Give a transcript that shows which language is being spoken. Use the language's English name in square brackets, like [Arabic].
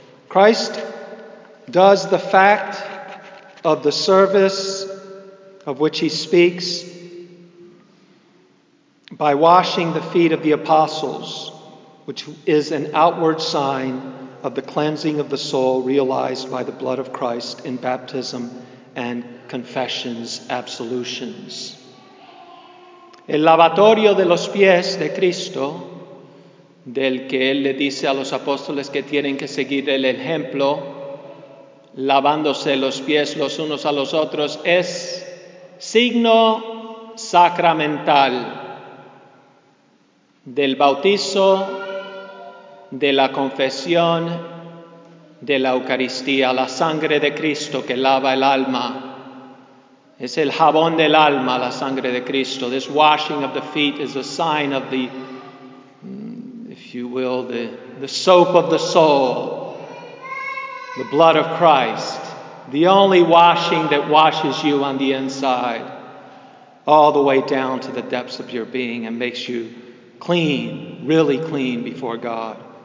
[English] Christ does the fact of the service of which he speaks by washing the feet of the apostles, which is an outward sign of the cleansing of the soul realized by the blood of Christ in baptism and confessions, absolutions. [Spanish] El lavatorio de los pies de Cristo, del que él le dice a los apóstoles que tienen que seguir el ejemplo, lavándose los pies los unos a los otros, es signo sacramental del bautizo, de la confesión, de la Eucaristía, la sangre de Cristo que lava el alma. Es el jabón del alma, la sangre de Cristo. [English] This washing of the feet is a sign of the, if you will, the soap of the soul. The blood of Christ, the only washing that washes you on the inside, all the way down to the depths of your being and makes you clean, really clean before God.